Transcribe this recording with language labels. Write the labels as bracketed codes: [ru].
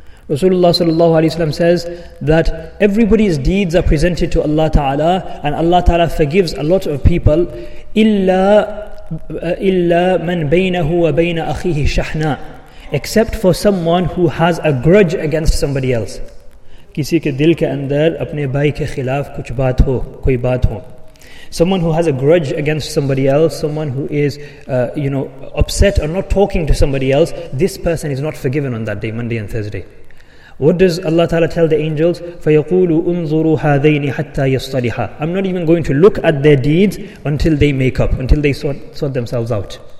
[en] Rasulullah sallallahu alayhi wa sallam says that everybody's deeds are presented to Allah Ta'ala and Allah Ta'ala forgives a lot of people [ar] إِلَّا مَنْ بَيْنَهُ وَبَيْنَ أَخِيهِ شَحْنًا, [en] except for someone who has a grudge against somebody else. [ur] کسی کے دل کے اندر اپنے بھائی کے خلاف کچھ بات ہو، کوئی بات ہو. [en] Someone who has a grudge against somebody else, someone who is upset or not talking to somebody else, this person is not forgiven on that day, Monday and Thursday. What does Allah Ta'ala tell the angels? [ar] فَيَقُولُ أُنظُرُوا هَذَيْنِ حَتَّى يَصْطَلِحَا. [en] I'm not even going to look at their deeds until they make up, until they sort themselves out.